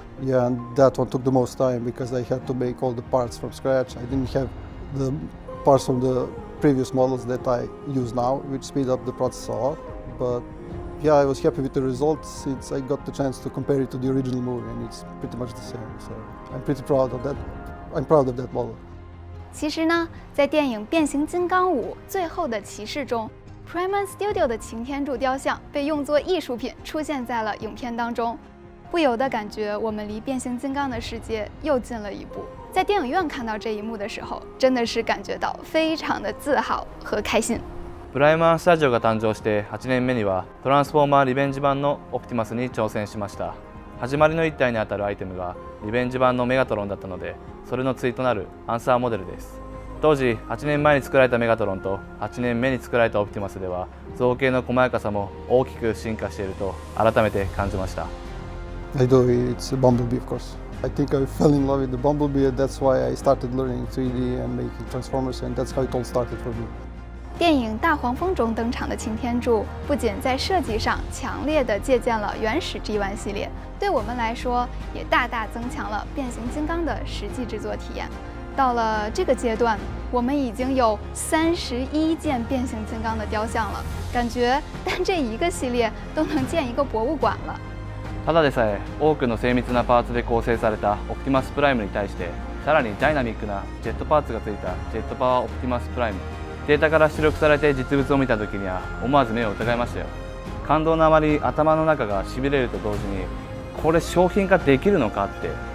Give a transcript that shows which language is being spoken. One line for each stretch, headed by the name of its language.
English: Yeah, and that one took the most time because I had to make all the parts from scratch. I didn't have the parts from theprevious models that I use now, which speed up the process a lot. But yeah, I was happy with the result since I got the chance to compare it to the original movie, and it's pretty much the same. So I'm pretty proud of that. I'm proud of that model.
Chinese: 其实呢，在电影《变形金刚五：最后的骑士》中 ，Prime One Studio 的擎天柱雕像被用作艺术品出现在了影片当中，不由得感觉我们离变形金刚的世界又近了一步。在电影院看到这一幕的时候，真的是感觉到非常的自豪和开心。
Japanese: プライマンスタジオが誕生して8年目には、トランスフォーマーリベンジ版のオプティマスに挑戦しました。始まりの一体にあたるアイテムがリベンジ版のメガトロンだったので、それの対となるアンサーモデルです。当時8年前に作られたメガトロンと8年目に作られたオプティマスでは、造形の細やかさも大きく進化していると改めて感じました。
English: I do. It's a bumblebee, of course. I think I fell in love with the Bumblebee, that's why I started learning 3D and making Transformers, and that's how it all started for me.
Chinese: 电影《大黄蜂》中登场的擎天柱不仅在设计上强烈地借鉴了原始 G1 系列，对我们来说也大大增强了变形金刚的实际制作体验。到了这个阶段，我们已经有31件变形金刚的雕像了，感觉单这一个系列都能建一个博物馆了。
Japanese: ただでさえ多くの精密なパーツで構成されたオプティマスプライムに対して、さらにダイナミックなジェットパーツがついたジェットパワーオプティマスプライム、データから出力されて実物を見た時には思わず目を疑いましたよ。感動のあまり頭の中がしびれると同時に、これ商品化できるのかって。